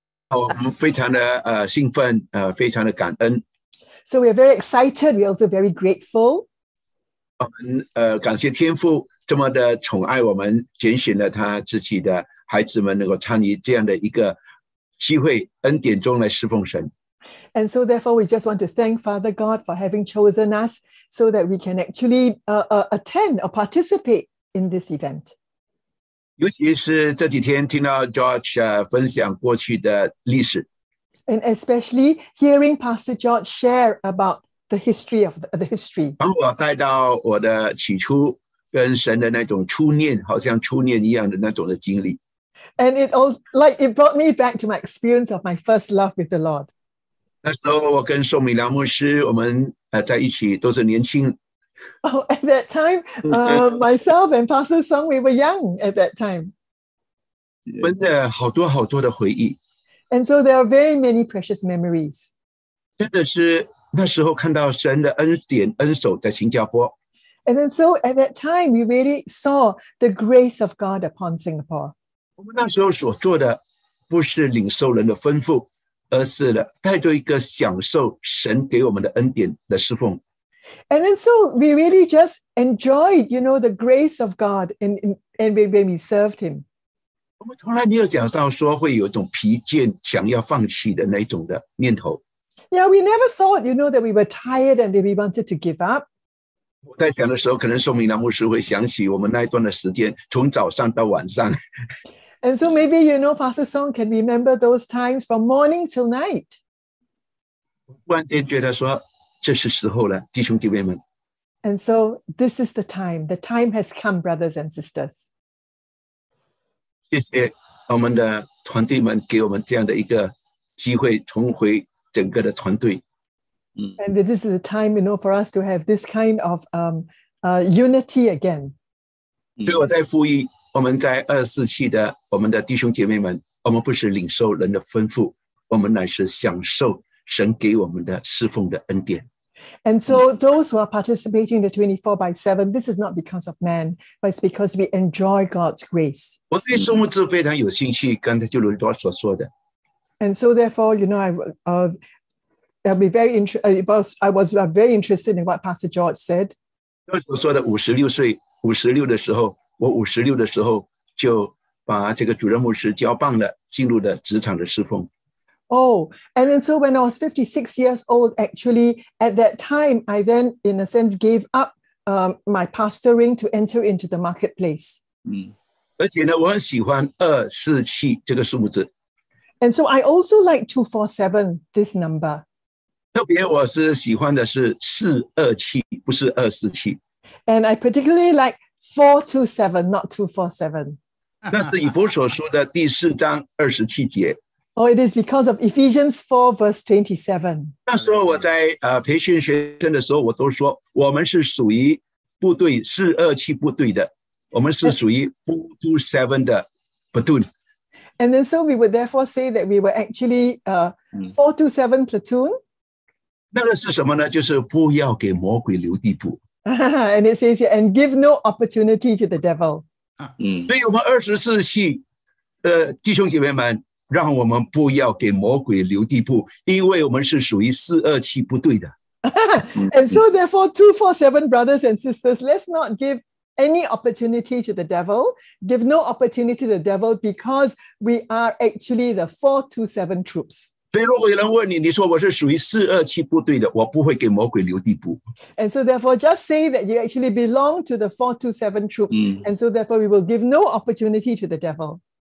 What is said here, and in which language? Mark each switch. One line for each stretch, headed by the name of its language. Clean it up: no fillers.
Chinese: 我们非常的兴奋，非常的感恩。
English: So we are very excited. We are also very grateful.
Chinese: 我们感谢天父这么的宠爱我们，拣选了他自己的孩子们能够参与这样的一个机会恩典中来侍奉神。
English: And so therefore we just want to thank Father God for having chosen us so that we can actually attend or participate in this event.
Chinese: 尤其是这几天听到 George 分享过去的历史。
English: And especially hearing Pastor George share about the history.
Chinese: 把我带到我的起初跟神的那种初念，好像初念一样的那种的经历。
English: And it all like it brought me back to my experience of my first love with the Lord.
Chinese: 那时候我跟宋敏良牧师，我们在一起都是年轻。
English: Oh, at that time, myself and Pastor Song, we were young at that time.
Chinese: 我们的好多好多的回忆。
English: And so there are very many precious memories.
Chinese: 真的是。那时候看到神的恩典恩手在新加坡。
English: And then so at that time, we really saw the grace of God upon Singapore.
Chinese: 我们那时候所做的不是领受人的吩咐，而是带着一个享受神给我们的恩典的侍奉。
English: And then so we really just enjoyed, you know, the grace of God and when we served him.
Chinese: 我们从来没有讲到说会有一种疲倦想要放弃的那种的念头。
English: Yeah, we never thought, you know, that we were tired and that we wanted to give up.
Chinese: 我在想的时候，可能宋明良牧师会想起我们那一段的时间，从早上到晚上。
English: And so maybe, you know, Pastor Song can remember those times from morning till night.
Chinese: 突然间觉得说，这是时候了，弟兄姐妹们。
English: And so this is the time. The time has come, brothers and sisters.
Chinese: 谢谢我们的团队们给我们这样的一个机会重回。整个的团队，
English: And this is a time, you know, for us to have this kind of unity again.
Chinese: 所以我在呼吁我们在二四期的我们的弟兄姐妹们，我们不是领受人的吩咐，我们乃是享受神给我们的侍奉的恩典。
English: And so those who are participating in the 24/7, this is not because of man, but it's because we enjoy God's grace.
Chinese: 我对数目字非常有兴趣，刚才就如多所说的。
English: And so, therefore, you know, I was very interested in what Pastor George said.
Chinese: 就是说的五十六岁，五十六的时候，我五十六的时候就把这个主任牧师交棒了，进入了职场的侍奉。
English: Oh, and then so when I was 56 years old, actually, at that time, I then, in a sense, gave up my pastoring to enter into the marketplace.
Chinese: 而且呢，我很喜欢二四七这个数目字。
English: And so I also like 247, this number.
Chinese: 特别我是喜欢的是427，不是247。
English: And I particularly like 427, not 247.
Chinese: 那是以弗所书的第四章二十七节。
English: Oh, it is because of Ephesians 4, verse 27.
Chinese: 那时候我在培训学生的时候，我都说我们是属于部队427部队的，我们是属于 427的platoon。
English: And then so we would therefore say that we were actually 427 platoon.
Chinese: 那个是什么呢？就是不要给魔鬼留地步。
English: And it says here, and give no opportunity to the devil.
Chinese: 所以我们二十四系，弟兄姐妹们，让我们不要给魔鬼留地步，因为我们是属于427部队的。
English: And so therefore, 247 brothers and sisters, let's not give any opportunity to the devil. Give no opportunity to the devil because we are actually the 427 troops.
Chinese: 所以如果有人问你，你说我是属于427部队的，我不会给魔鬼留地步。
English: And so therefore, just say that you actually belong to the 427 troops. And so therefore, we will give no opportunity to the devil.